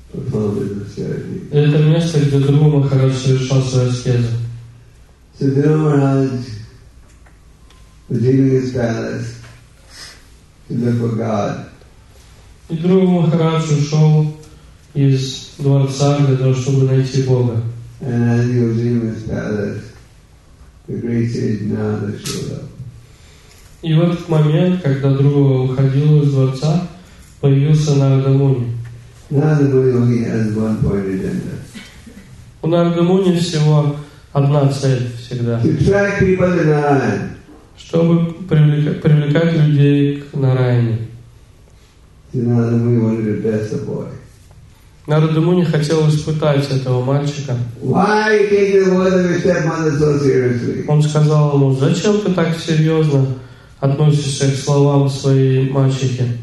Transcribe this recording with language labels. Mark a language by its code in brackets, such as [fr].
[ru] Это место, где Друва Махарадж совершал свою аскезу. [en] So Druva Maharaj was leaving his palace to look for God. [ru] И Друва Махарадж ушел из дворца для того, чтобы найти Бога. [en] And as he was leaving his palace, the great sage Narada showed up. [ru] И в этот момент, когда Друва уходил из дворца, появился Нарада Муни. [en] Narada Muni only has one point agenda. [ru] У Нарада Муни всего одна цель всегда. [en] To attract people to Narayan. [ru] Чтобы привлекать людей к Нараяне. [en] Narada Muni wanted to test the boy. [ru] Нарада Муни хотел испытать этого мальчика. [en] Why you take the word of your stepmother so seriously? [ru] Он сказал ему, зачем ты так серьезно относишься к словам своей мальчики?